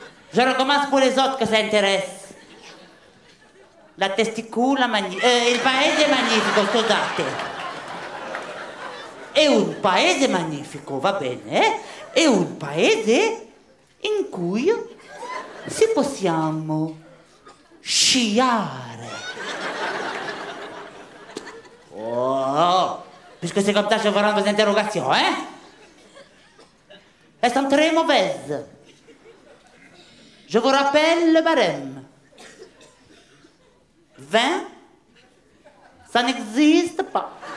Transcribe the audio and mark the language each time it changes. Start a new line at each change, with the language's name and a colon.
French: Je recommence pour les autres que ça intéresse. La testicula magnifique.
Italian: Il paese magnifico, scusate. È un paese magnifico, va bene, eh? È un paese in cui si possiamo sciare.
French: Oh, puisque c'est comme ça, je vous rends vos interrogations, eh? Elles sont très mauvaises. Je vous rappelle le barème. 20, ça n'existe pas.